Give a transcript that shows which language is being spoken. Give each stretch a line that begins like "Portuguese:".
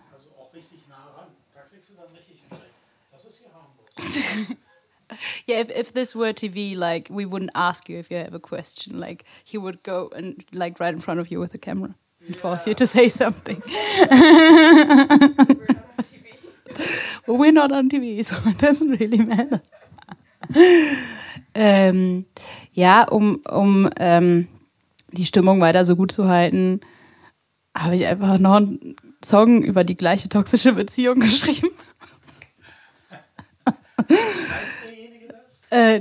German: Also auch richtig nah ran. Da kriegst du dann richtig einen Check. Das ist hier Hamburg.
English: Yeah, if this were TV, like, we wouldn't ask you if you have a question. Like, he would go and, like, right in front of you with a camera and force you to say something. Well, we're not on TV, so it doesn't really matter.
German: um die Stimmung weiter so gut zu halten, habe ich einfach noch ein Song über die gleiche toxische Beziehung geschrieben. Weiß derjenige das?